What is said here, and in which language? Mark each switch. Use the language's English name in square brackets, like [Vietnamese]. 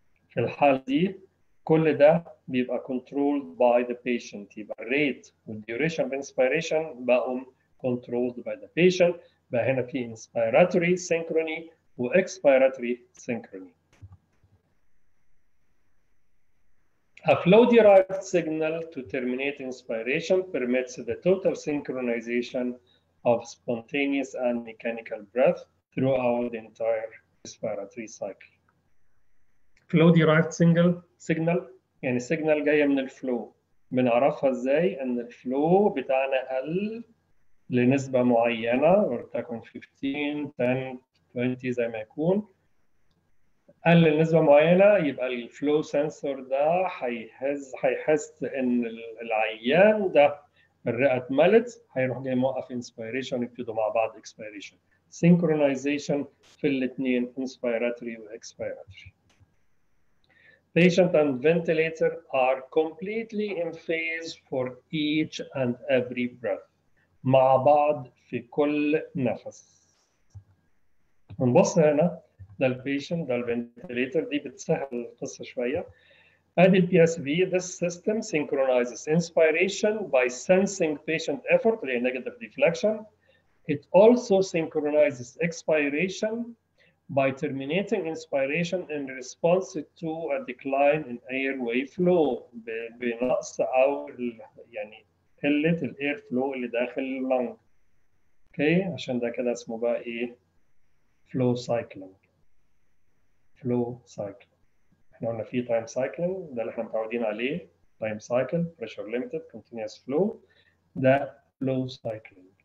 [Arabic] في الحال دي كل ده بيبقى [English] controlled by the patient [Arabic] يبقى [English] rate والـ duration of inspiration [Arabic] بقوا [English] controlled by the patient [Arabic] بقى هنا في [English] inspiratory synchrony و expiratory synchrony. A flow derived signal to terminate inspiration permits the total synchronization of spontaneous and mechanical breath throughout the entire respiratory cycle. Flow derived signal [Arabic] يعني signal جاية من الflow. بنعرفها ازاي ان الflow بتاعنا قل لنسبة معينة ولتكن 15 10 20 زي ما يكون قل النسبة معينة يبقى الفلو سنسور ده هيحس ان العيان ده الرئة اتملت هيروح جاي موقف انسبيريشن يبتدوا مع بعض اكسبيريشن سينكرونايزيشن في الاثنين انسبيراتوري واكسبيراتوري [English] patient and ventilator are completely in phase for each and every breath [Arabic] مع بعض في كل نفس نبص هنا ده الـ patient ده الـ ventilator دي بتسهل القصة شوية [English] Adel PSV, this system synchronizes inspiration by sensing patient effort through a negative deflection. It also synchronizes expiration by terminating inspiration in response to a decline in airway flow. [Arabic] بنقص أو يعني قلة الـ air flow اللي داخل lung. Okay, عشان ده كده اسمه بقى إيه؟ Flow cycling. [English] Flow cycle. [Arabic] احنا قلنا فيه time cycling، ده اللي احنا متعودين عليه. [English] Time cycle, pressure limited, continuous flow. [Arabic] ده [English] flow cycling.